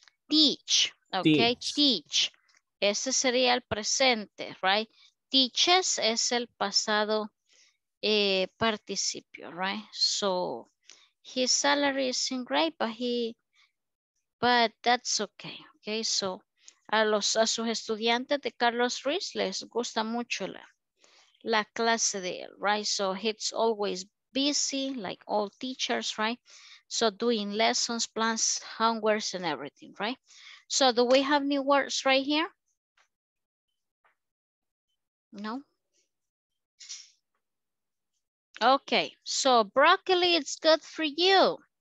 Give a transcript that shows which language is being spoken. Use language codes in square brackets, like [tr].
[es] Teach. Okay, teach. Ese sería el presente, right? Teaches es el pasado participio, right? [en] So, his salary isn't great, but that's okay. [es] Okay, so a sus estudiantes de Carlos Ruiz les gusta mucho la clase de él, right? [en] So he's always busy, like all teachers, right? So doing lessons, plans, homeworks, and everything, right? So do we have new words right here? No. Okay, so broccoli, it's good for you.